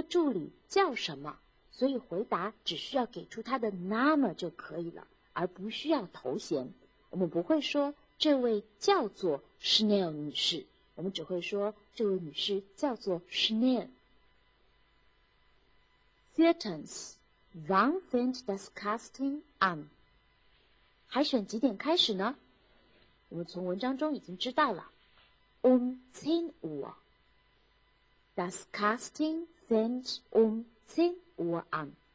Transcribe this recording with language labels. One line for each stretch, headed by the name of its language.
Chinese: 因为问题是这个助理叫什么?所以回答只需要给出她的name就可以了,而不需要头衔。我们不会说这位叫做 Schnell女士, 我们只会说这位女士叫做 Schnell.
German: Viertens, wann fängt das Casting an?
Chinese: 海选几点开始呢? 我们从文章中已经知道了,
German: um 10 Uhr. Das Casting fängt um 10 Uhr an.